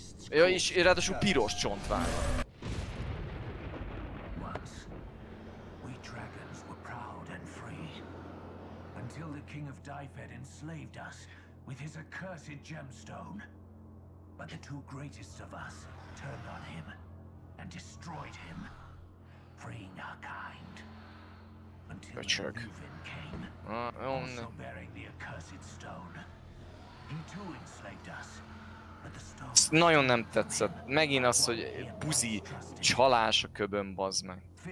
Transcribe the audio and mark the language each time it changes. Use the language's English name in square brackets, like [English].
[Hungarian] Ja, és ráadásul piros csont vár. [English] We dragons were proud and free. Until the king of Dyfed enslaved us with his accursed gemstone. But the two greatest of us turned on him and destroyed him, freeing our kind. Until the Uvin came, also bearing the accursed stone. He too enslaved us. [Hungarian] Ezt nagyon nem tetszett. Megint az, hogy buzi csalás a köbön, bazd meg.